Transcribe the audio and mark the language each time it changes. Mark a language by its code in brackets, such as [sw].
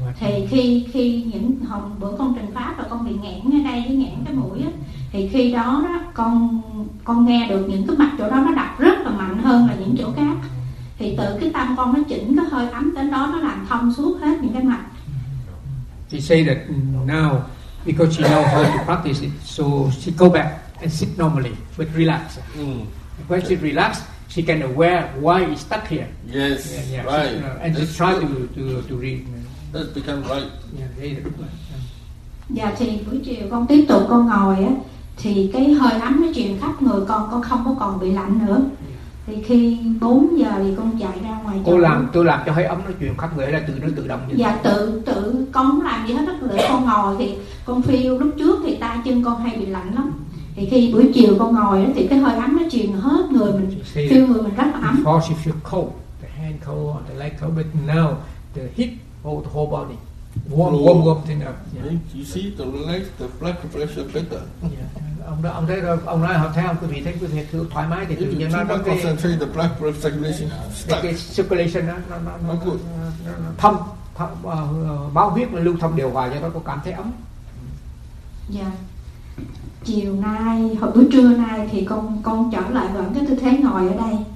[vi] Thì khi những hôm bữa con trình pháp và con bị nghẽn ngay đây với nghẽn cái mũi á, thì khi đó con nghe được những cái mặt chỗ đó nó đập rất là mạnh hơn là những chỗ khác. Thì tự cái tâm con nó chỉnh cái hơi ấm đến đó, nó làm thông suốt hết những cái mặt. [en] She said that now because she knows how to practice it, so she go back and sit normally but relax. When she relax, she can aware why it's stuck here. Yes, yeah, yeah. Right. So, and just try to read. That become right. Yeah, yeah. [vi] Dạ, thì buổi chiều con tiếp tục con ngồi á, thì cái hơi ấm nó truyền khắp người con không có còn bị lạnh nữa. Thì khi 4 giờ thì con chạy ra ngoài. Tôi làm cho hơi ấm nó truyền khắp người là tự nó tự động. Dạ, tự con làm gì hết đó. Lỡ con ngồi thì con feel lúc trước thì tay chân con hay bị lạnh lắm. Thì khi buổi chiều con ngồi thì cái hơi ấm nó truyền hết người mình, feel người mình rất là ấm. [en] Before she feel cold, the hand cold or the leg cold, but now the heat hold the whole body. Warm up thing up. Yeah. You see the relax, the blood pressure better. Yeah. [vi] Ông thấy rồi, ông nói học theo quý vị thấy quý vị thử thoải mái thì tự nhiên nó có cái [en] the blood pressure circulation stuck. [vi] Cái circulation nó thông máu huyết lưu thông điều hòa cho nó có cảm thấy ấm. Dạ. Chiều nay hồi bữa trưa nay thì con trở lại vẫn cái tư thế ngồi ở đây.